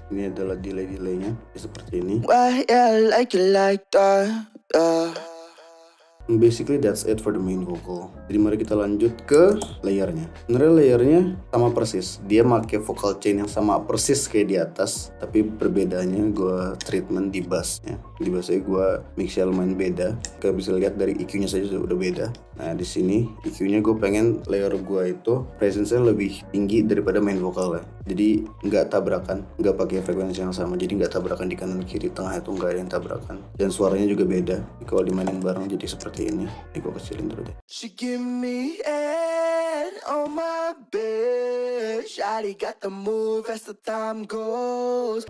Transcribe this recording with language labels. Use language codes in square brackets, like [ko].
[id] Ini adalah delay-delaynya seperti ini. [en] Why yeah, like it like that. Basically that's it for the main vocal. [id] Jadi mari kita lanjut ke layernya. Sebenarnya layernya sama persis. Dia make vocal chain yang sama persis kayak di atas, tapi perbedaannya gue treatment di bassnya. Di bassnya gue mixnya lumayan beda. Kalian bisa lihat dari EQ-nya saja udah beda. Nah di sini EQ-nya gue pengen layer gue itu presence-nya lebih tinggi daripada main vocalnya. Jadi nggak tabrakan, nggak pakai frekuensi yang sama. Jadi nggak tabrakan di kanan kiri, tengah itu nggak ada yang tabrakan. Dan suaranya juga beda. Kalau dimainin bareng jadi seperti ini. Ini gue kecilin dulu deh. [en] She give me head on my bitch. Shawty got the move as the time goes.